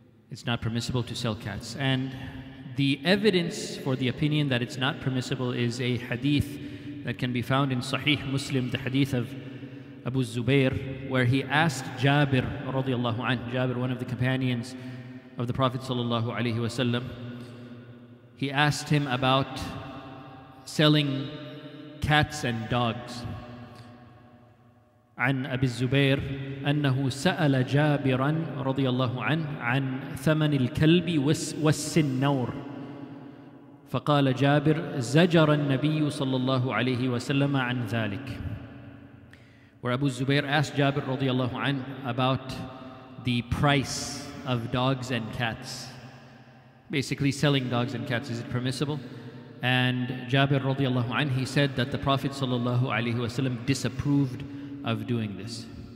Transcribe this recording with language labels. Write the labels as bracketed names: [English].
[English] It's not permissible to sell cats. And the evidence for the opinion that it's not permissible is a hadith that can be found in Sahih Muslim, the hadith of Abu Zubair, where he asked Jabir radiallahu anhu, Jabir, one of the companions of the Prophet sallallahu alaihi wasallam, he asked him about selling cats and dogs. [Arabic] عن أبي الزبير أنه سأل جابرا رضي الله عنه عن ثمن الكلب والسنور فقال جابر زجر النبي صلى الله عليه وسلم عن ذلك. [English] Where Abu Zubair asked Jabir radiallahu anhu about the price of dogs and cats. Basically, selling dogs and cats, is it permissible? And Jabir radiallahu anhu, he said that the Prophet sallallahu alaihi wasallam disapproved of doing this.